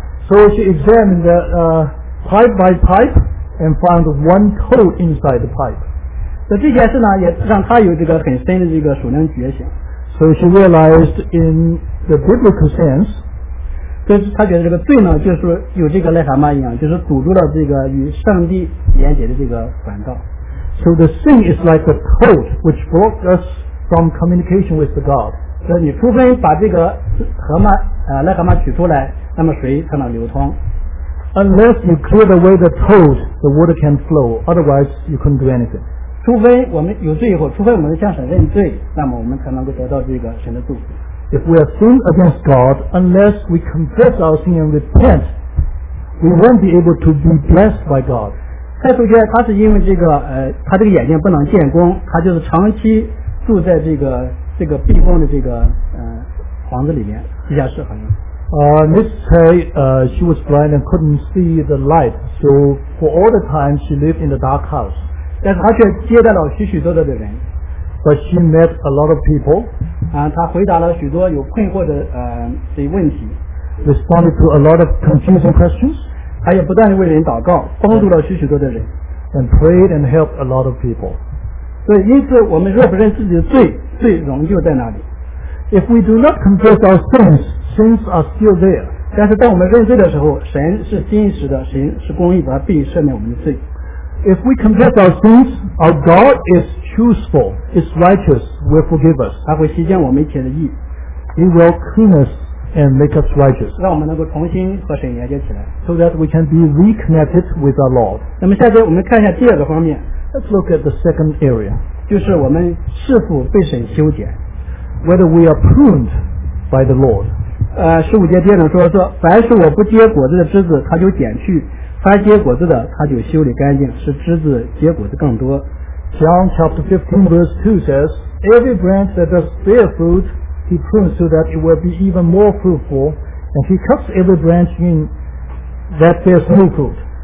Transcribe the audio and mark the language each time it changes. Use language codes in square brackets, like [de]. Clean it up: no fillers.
[en] So she examined pipe by pipe and found one toad inside the pipe. [zh] 所以这件事呢，也让她有这个很深的这个属灵觉醒。 [en] So she realized in the biblical sense, [zh] 就是她觉得这个罪呢，就是有这个癞蛤蟆一样，就是堵住了这个与上帝连接的这个管道。 [en] So the sin is like a coat which blocks us from communication with the God. [zh] 所以你除非把这个河马癞蛤蟆取出来，那么水才能流通。 [en] Unless you clear away the toad, the water can flow. Otherwise, you couldn't do anything. [zh] 除非我们有罪以后，除非我们向神认罪，那么我们才能够得到这个神的祝福。 [en] If we have sinned against God, unless we confess our sin and repent, we won't be able to be blessed by God. [zh] 蔡淑娟她是因为这个她这个眼睛不能见光，她就是长期住在这个避光的这个房子里面，地下室好像。 [en] She was blind and couldn't see the light, so for all the time she lived in the dark house. [zh] 但是她却接待了许许多多的人。 [en] But she met a lot of people. [zh] 她回答了许多有困惑的的问题。 [en] Responded to a lot of confusing questions. [zh] 她也不断地为人祷告，帮助了许许多的人。 [en] And prayed and helped a lot of people. [zh] 所以，因此我们若不认自己的罪，罪仍旧在那里。 [en] If we do not confess our sins, sins are still there. [zh] 但是当我们认罪的时候，神是信实的，神是公义的，必赦免我们的罪。 [en] If we confess our sins, our God is truthful, is righteous, will forgive us. [zh] 他会洗净我们一切的义。 [en] He will clean us and make us righteous. [zh] 让我们能够重新和神连接起来。 [en] So that we can be reconnected with our Lord. [zh] 那么下节我们看一下第二个方面。 [en] Let's look at the second area. [zh] 就是我们是否被神修剪。 [en] Whether we are pruned by the Lord. [zh] 十五节接着说，凡是我不结果子的枝子，他就剪去。凡结果子的，他就修理干净，使枝子结果子更多。 [en] John chapter 15 verse 2 says, Every branch that does bear fruit, he prunes so that it will be even more fruitful, and he cuts every branch in that bears no fruit.